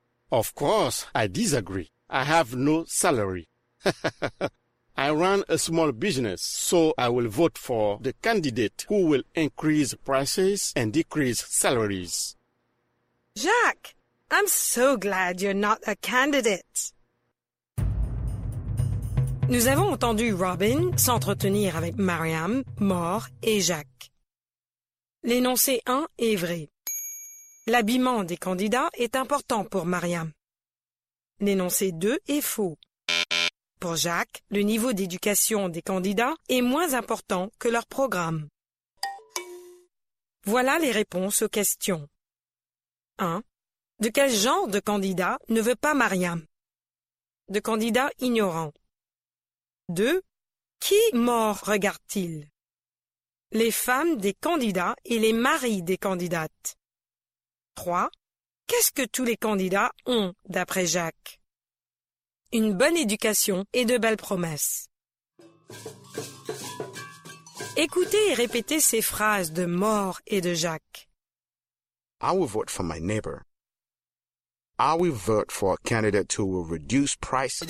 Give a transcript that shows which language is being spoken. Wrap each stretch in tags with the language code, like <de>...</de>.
<en>Of course, I disagree. I have no salary. I run a small business, so I will vote for the candidate who will increase prices and decrease salaries. Jacques, I'm so glad you're not a candidate.</en> <fr>Nous avons entendu Robin s'entretenir avec Mariam, Maure et Jacques. L'énoncé 1 est vrai. L'habillement des candidats est important pour Mariam. L'énoncé 2 est faux. Pour Jacques, le niveau d'éducation des candidats est moins important que leur programme. Voilà les réponses aux questions. 1. De quel genre de candidat ne veut pas Mariam? De candidat ignorant. 2. Qui mort regarde-t-il? Les femmes des candidats et les maris des candidates. 3. Qu'est-ce que tous les candidats ont, d'après Jacques? Une bonne éducation et de belles promesses. Écoutez et répétez ces phrases de Maure et de Jacques.</fr> <en>I will vote for my neighbor. I will vote for a candidate who will reduce prices.</en>